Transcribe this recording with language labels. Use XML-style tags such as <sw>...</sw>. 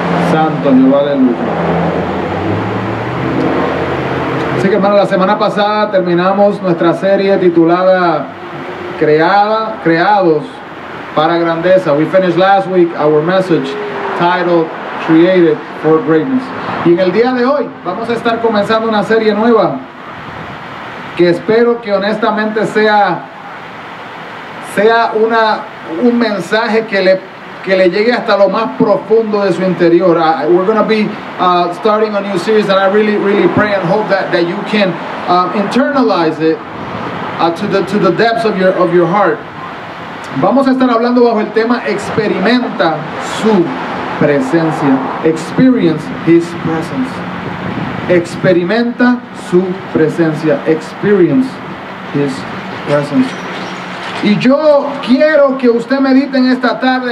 <es>Santo Jehová de Luz. Así que hermano, la semana pasada terminamos nuestra serie titulada Creados para Grandeza.</es> <en>We finished last week our message titled Created for Greatness.</en> <es>Y en el día de hoy vamos a estar comenzando una serie nueva que espero que honestamente sea un mensaje que le llegue hasta lo más profundo de su interior.</es> <en>We're going to be starting a new series and I really, really pray and hope that you can internalize it to the depths of your heart.</en> <es>Vamos a estar hablando bajo el tema Experimenta su presencia.</es> <en>Experience His presence.</en> <es>Experimenta su presencia.</es> <en>Experience His presence.</en> <es>Y yo quiero que usted medite en esta tarde.</es>